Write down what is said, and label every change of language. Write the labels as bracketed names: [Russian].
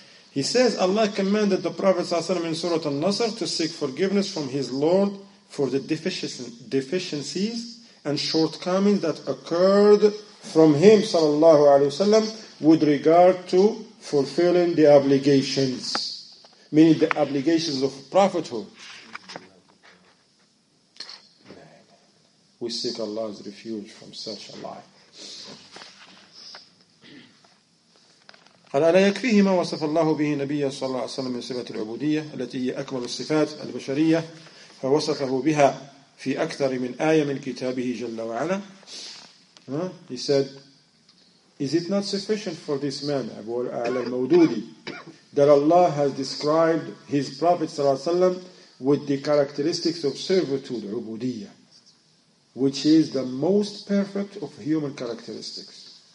[English] He says, Allah commanded the Prophet sallallahu alayhi wa sallam in Surah Al-Nasr to seek forgiveness from his Lord for the deficiencies and shortcomings that occurred from him, sallallahu alayhi wa sallam, with regard to fulfilling the obligations. Meaning the obligations of prophethood. We seek Allah's refuge from such a lie. [Arabic] ألا يكفيه ما وصف الله به نبي صلى الله عليه وسلم من صفة العبودية التي هي أكمل الصفات البشرية فوصفه بها في أكثر من آية من كتابه جل وعلا. [English] He said, is it not sufficient for this man, Abu al-A'la al-Mawdudi, that Allah has described his Prophet [Arabic] صلى الله عليه وسلم [English] with the characteristics of servitude, عبودية, which is the most perfect of human characteristics.